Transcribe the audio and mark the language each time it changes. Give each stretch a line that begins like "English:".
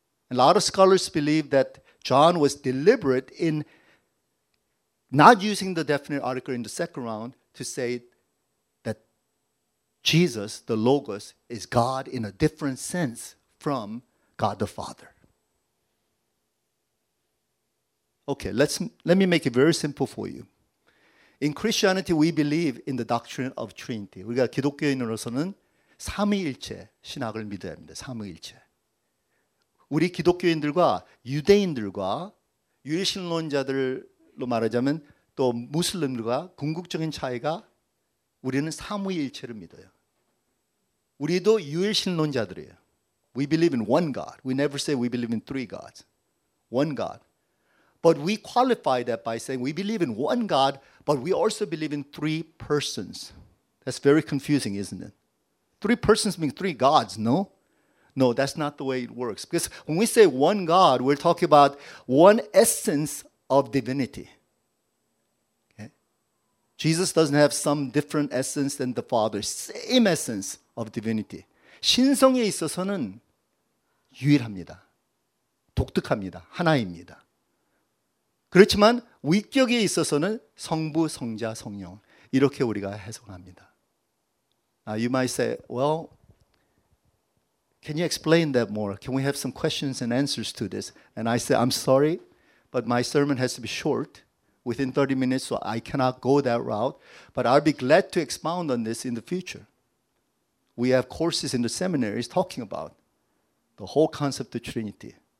English: A lot of scholars believe that John was deliberate in not using the definite article in the second round to say that Jesus, the Logos, is God in a different sense from God the Father. Okay, let me make it very simple for you. In Christianity, we believe in the doctrine of Trinity.
Korean: 우리가 기독교인으로서는 삼위일체 신학을 믿어야 합니다. 삼위일체. 우리 기독교인들과 유대인들과 유일신론자들로 말하자면 또 무슬림들과 궁극적인 차이가 우리는 삼위일체를 믿어요. 우리도 유일신론자들이에요.
English: We believe in one God. We never say we believe in three gods. One God. But we qualify that by saying we believe in one God, but we also believe in three persons. That's very confusing, isn't it? Three persons mean three gods, no? No, that's not the way it works. Because when we say one God, we're talking about one essence of divinity. Okay? Jesus doesn't have some different essence than the Father. Same essence of divinity.
Korean: 신성에 있어서는 유일합니다. 독특합니다. 하나입니다. 그렇지만 위격에 있어서는 성부, 성자, 성령 이렇게 우리가 해석합니다.
English: Now you might say, well, can you explain that more? Can we have some questions and answers to this? And I say, I'm sorry, but my sermon has to be short, within 30 minutes, so I cannot go that route. But I'll be glad to expound on this in the future. We have courses in the seminaries talking about the whole concept of Trinity.